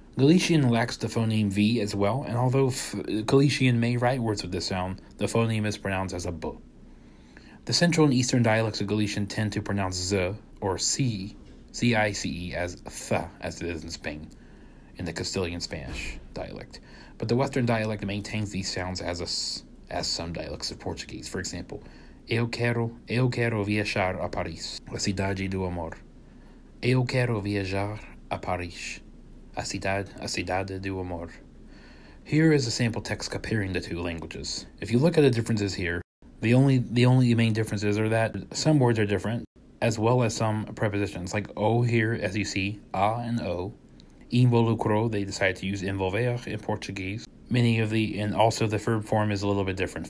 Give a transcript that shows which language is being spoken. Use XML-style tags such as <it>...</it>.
<en>Galician lacks the phoneme V as well, and although Galician may write words with this sound, the phoneme is pronounced as a B. The central and eastern dialects of Galician tend to pronounce Z or C, C-I-C-E, as th, as it is in Spain, in the Castilian Spanish dialect. But the western dialect maintains these sounds as a S, as some dialects of Portuguese.</en> <pt>For example, eu quero viajar a Paris, a cidade do amor. Eu quero viajar a Paris, a cidade do amor.</pt> <en>Here is a sample text comparing the two languages. If you look at the differences here, the only main differences are that some words are different, as well as some prepositions, like o here, as you see, a and o. Involucro, they decided to use envolver in Portuguese. Many of the, and also the verb form is a little bit different.</en>